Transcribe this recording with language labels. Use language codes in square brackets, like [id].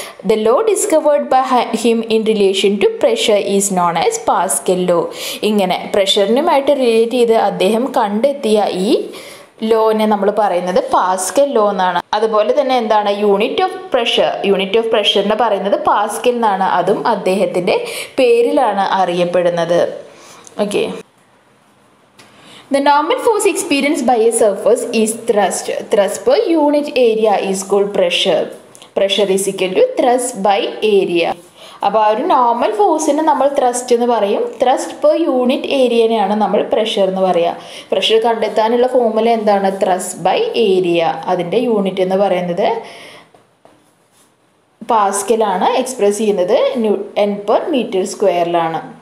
[en] The law discovered by him in relation to pressure is known as Pascal law. [ml] ഇങ്ങനെ പ്രഷറിനുമായിട്ട് relate ചെയ്ത് അദ്ദേഹം കണ്ടെത്തിയ ഈ ലോനെ നമ്മൾ പറയുന്നത് പാസ്കൽ ലോ എന്നാണ്. അതുപോലെ തന്നെ എന്താണ്, unit of pressure, unit of പ്രഷറിനെ പറയുന്നത് പാസ്കൽ എന്നാണ്. അതും അദ്ദേഹത്തിൻ്റെ പേരിലാണ് അറിയപ്പെടുന്നത്. [en] Okay, the normal force experienced by a surface is thrust. Thrust per unit area is called pressure. Pressure is equal to thrust by area. [ml] അപ്പോൾ ആ ഒരു നോർമൽ ഫോഴ്സിനെ നമ്മൾ ത്രസ്റ്റ് എന്ന് പറയും. ത്രസ്റ്റ് പെർ യൂണിറ്റ് ഏരിയനെയാണ് നമ്മൾ പ്രഷർ എന്ന് പറയുക. പ്രഷർ കണ്ടെത്താനുള്ള ഫോർമുല എന്താണ്? ത്രസ്റ്റ് ബൈ ഏരിയ, അതിൻ്റെ യൂണിറ്റ് എന്ന് പറയുന്നത് പാസ്കലാണ്, എക്സ്പ്രസ് ചെയ്യുന്നത് ന്യൂ എൻ പെർ മീറ്റർ സ്ക്വയറിലാണ്.